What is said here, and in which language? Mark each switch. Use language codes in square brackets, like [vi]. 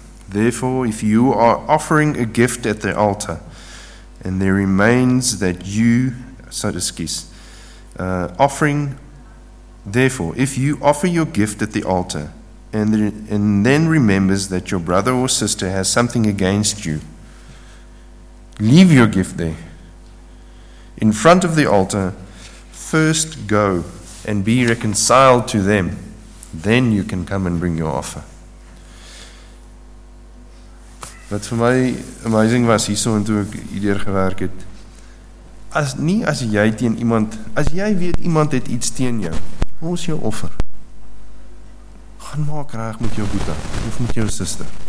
[en] Therefore, if you are offering a gift at the altar and there remains that you, so to excuse, therefore, if you offer your gift at the altar and then remembers that your brother or sister has something against you, leave your gift there. In front of the altar, first go and be reconciled to them. Then you can come and bring your offer. [af] Wat vir my amazing was hierso en toe ek hierdeur gewerk het, as jy weet iemand het iets teen jou, mos jou offer. Gaan maak reg met jou broer of met jou suster.